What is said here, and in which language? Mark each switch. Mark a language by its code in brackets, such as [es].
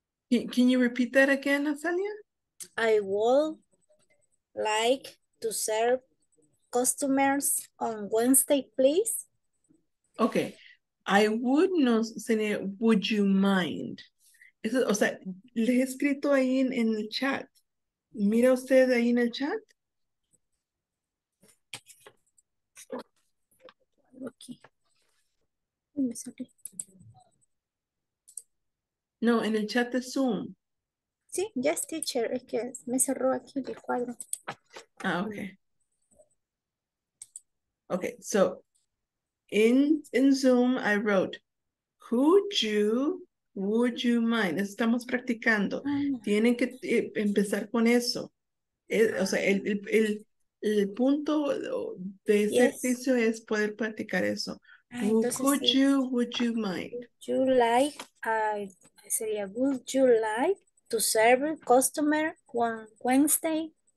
[en] Can you repeat that again, Azalea? I would like to serve customers on one state, please. Okay. I would [es] no sería, [en] would you mind? [es] Eso, o sea, le he escrito ahí en el chat. ¿Mira usted ahí en el chat? [en] Okay. [es] No, en el chat de Zoom. Sí, [en] yes, teacher. [es] Es que me cerró aquí el cuadro. [en] Ah, okay. Okay, so in Zoom I wrote, would you mind? [es] Estamos practicando. Tienen que empezar con eso. O sea, el punto de ese ejercicio es poder practicar eso. [en] Would you mind? Would you like to serve customer on Wednesday?